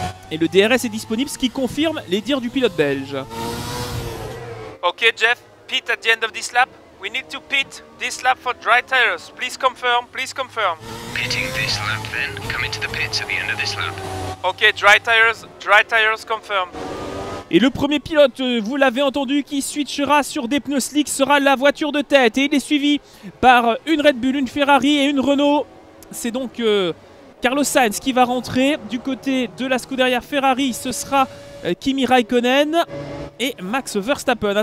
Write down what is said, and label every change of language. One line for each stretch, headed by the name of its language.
French: Et le DRS est disponible, ce qui confirme les dires du pilote belge.
English: Ok Jeff, pit at the end of this lap. We need to pit this lap for dry tires. Please confirm, please confirm. Pitting this lap then, come into the pits at the end of this lap. Ok, dry tires confirm.
French: Et le premier pilote, vous l'avez entendu, qui switchera sur des pneus slicks sera la voiture de tête. Et il est suivi par une Red Bull, une Ferrari et une Renault. C'est donc Carlos Sainz qui va rentrer. Du côté de la Scuderia Ferrari, ce sera Kimi Raikkonen et Max Verstappen.